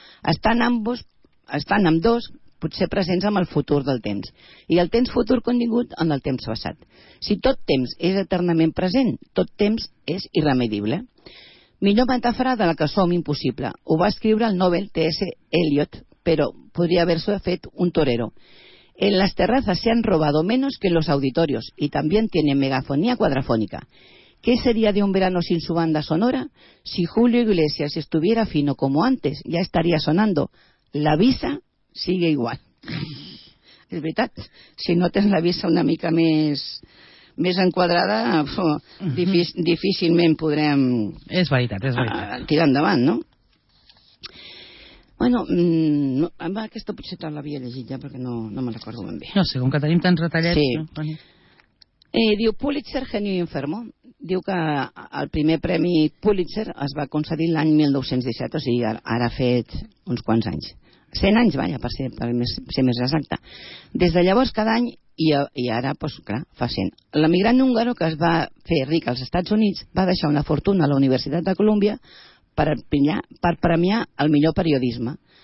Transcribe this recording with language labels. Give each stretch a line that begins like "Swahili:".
Catalan: Estan amb dos, potser presents amb el futur del temps. I el temps futur contingut amb el temps passat. Si tot temps és eternament present, tot temps és irremedible. Millor metàfora de la que som impossible. Ho va escriure el Nobel T.S. Eliot, però podria haver-se fet un torero.
Spanish: En les terrazas se han robado menos que en los auditorios y también tienen megafonía cuadrafónica. ¿Qué sería de un verano sin su banda sonora? Si Julio Iglesias estuviera fino como antes, ya estaría sonando. La visa sigue igual.
Catalan: És veritat, si notes la visa una mica més... més enquadrada, difícilment podrem... És veritat, és veritat. Tirar endavant, no? Bueno, aquesta potser te l'havia llegit ja, perquè no me'n recordo ben bé. No sé, com que tenim tants retallets... Sí.
Spanish: Diu Pulitzer, genio y enfermo.
Catalan: Diu que el primer premi Pulitzer es va concedir l'any 1917, o sigui, ara ha fet uns quants anys. 100 anys, vaja, per ser més exacte. Des de llavors, cada any, i ara, doncs, clar, fa 100. L'emigrant húngaro que es va fer ric als Estats Units va deixar una fortuna a la Universitat de Columbia per premiar el millor periodisme.